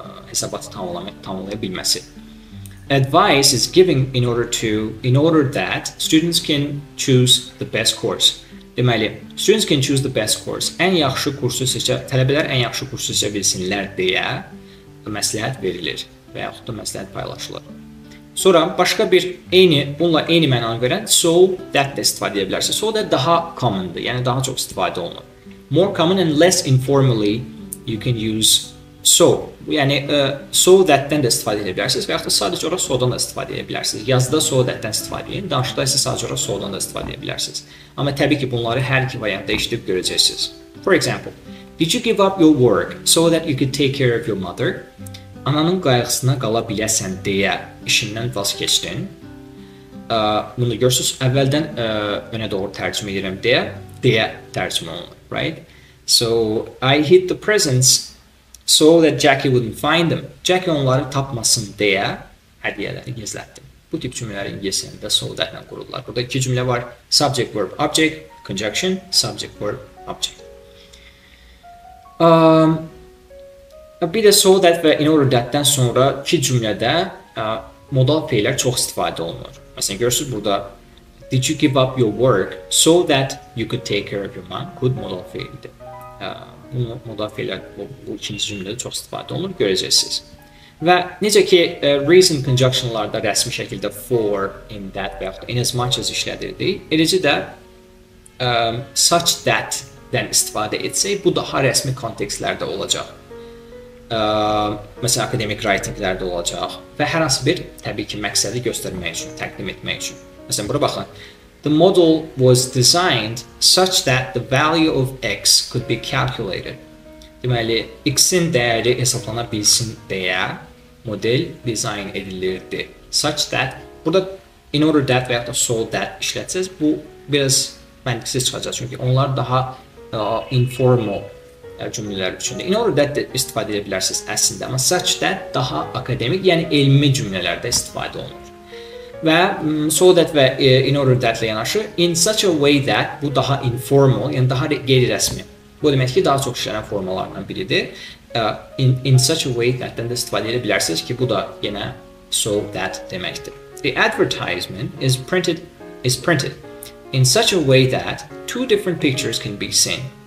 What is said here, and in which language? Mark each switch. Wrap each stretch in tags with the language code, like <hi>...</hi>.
<az>Hesabatı tamamlayabilməsi.</az> <en>Advice is giving in order that students can choose the best course. Deməli, students can choose the best course.</en> <az>Ən yaxşı kursu seçə, tələbələr ən yaxşı kursu seçə bilsinlər deyə məsləhət verilir və yaxud da məsləhət paylaşılır. Sonra başqa bir bununla eyni mənanı verən so that də istifadə edə bilərsiniz. So that daha commondur, yəni daha çox istifadə olunur.</az> <en>More common and less informally you can use so.</en> <az>Yəni, so that-dən də istifadə edə bilərsiniz və yaxud da sadəcə olaraq so-dan da istifadə edə bilərsiniz. Yazıda so that-dən istifadə edin, danışıqda isə sadəcə olaraq so-dan da istifadə edə bilərsiniz. Amma təbii ki, bunları hər iki variantda işləyib görəcəksiniz.</az> <en>For example, did you give up your work so that you could take care of your mother?</en> <az>Ananın qayğısına qala biləsən deyə işindən vaz keçdin. Bunu görürsünüz, əvvəldən önə doğru tərcümə edirəm deyə tərcümə olunur, right?</az> <en>So, I hid the presents so that Jackie wouldn't find them.</en> <az>Jackie onları tapmasın deyə hədiyələri gizlətdim. Bu tip cümlələri ingilisində so that-lə qururlar. Burada iki cümlə var.</az> <en>Subject, verb, object, conjunction, subject, verb, object.</en> <az>Bir də so that və in order that-dən sonra iki cümlədə modal fellər çox istifadə olunur. Məsələn, görürsünüz burada</az> <en>did you give up your work so that you could take care of your mom?</en> <az>Good modal fellidir. Bu ikinci cümlədə çox istifadə olunur, görəcəksiniz. Və necə ki, reason conjunctionlarda rəsmi şəkildə for, in that və yaxud da in as much as işlədirdik, eləcə də such that-dən istifadə etsək, bu daha rəsmi kontekstlərdə olacaq. Məsələn, akademik writinglərdə olacaq və hər hansı bir təbii ki, məqsədi göstərmək üçün, təqdim etmək üçün. Məsələn, bura baxın.</az> <en>The model was designed such that the value of X could be calculated.</en> <az>Deməli, X-in dəyəri hesablana bilsin deyə model dizayn edilirdi. Such that, burada in order that və yaxud da so that işlətsəz, bu biraz məntiqsiz çıxacaq. Çünki onlar daha informal cümlələr üçündür. In order that də istifadə edə bilərsiniz əslində, amma such that daha akademik, yəni elmi cümlələrdə istifadə olunur. Və so that və in order that-lə yanaşı, in such a way that, bu daha informal, yəni daha qeyri-rəsmi. Bu demək ki, daha çox işlənən formalarından biridir. In such a way that-dən də istifadə edə bilərsiniz ki, bu da yenə so that deməkdir.</az> <en>The advertisement is printed in such a way that two different pictures can be seen.</en>